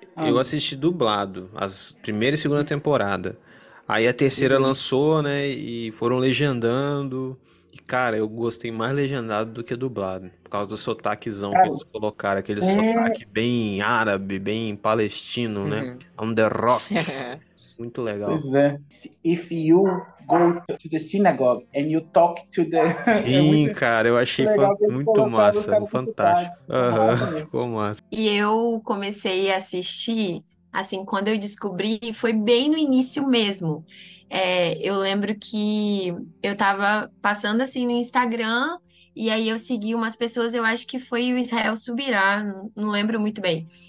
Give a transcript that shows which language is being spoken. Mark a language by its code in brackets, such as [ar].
[pt] Eu assisti dublado, as primeira e segunda temporada. Aí a terceira lançou, né? E foram legendando... Cara, eu gostei mais legendado do que dublado, por causa do sotaquezão que eles colocaram, aquele sotaque bem árabe, bem palestino, né? [en] On the rock. [pt] Muito legal. Pois é. [en] If you go to the synagogue and you talk to the... [pt] Sim, cara, eu achei muito massa, fantástico. Ficou massa. E eu comecei a assistir, assim, quando eu descobri, foi bem no início mesmo. É, eu lembro que eu tava passando assim no Instagram e aí eu segui umas pessoas, eu acho que foi o Israel Subirá, não lembro muito bem.